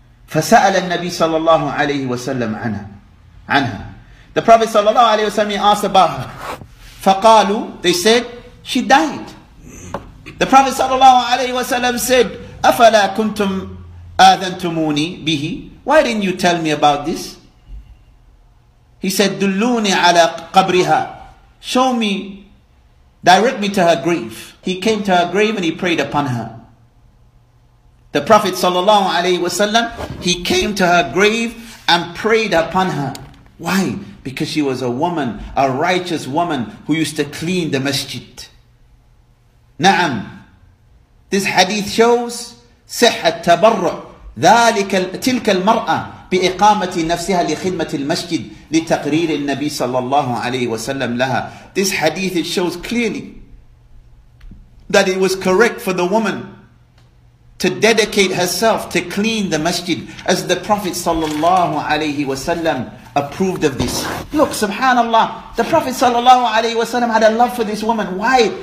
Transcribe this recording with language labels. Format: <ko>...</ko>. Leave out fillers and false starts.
<ar>فسأل النبي صلى الله عليه وسلم عنها. عنها.</ar> <en>The Prophet</en> <ar>صلى الله عليه وسلم</ar> <en>asked about her.</en> <ar>فقالوا,</ar> <en>they said, she died. The Prophet</en> <ar>صلى الله عليه وسلم</ar> <en>said,</en> <ar>أفلا كنتم آذنتموني به.</ar> <en>Why didn't you tell me about this? He said,</en> <ar>دلوني على قبرها.</ar> <en>Show me, direct me to her grave. He came to her grave and he prayed upon her. The Prophet sallallahu alaihi wasallam, he came to her grave and prayed upon her. Why? Because she was a woman, a righteous woman who used to clean the masjid.</en> <ar>نعم.</ar> <en>This hadith shows</en> <ar>صحة التبرع ذلك تلك المرأة بإقامة نفسها لخدمة المسجد لتقرير النبي صلى الله عليه وسلم لها.</ar> <en>This hadith, it shows clearly that it was correct for the woman to dedicate herself to clean the masjid, as the Prophet</en> <ar>صلى الله عليه وسلم</ar> <en>approved of this. Look, subhanAllah, the Prophet</en> <ar>صلى الله عليه وسلم</ar> <en>had a love for this woman. Why?</en>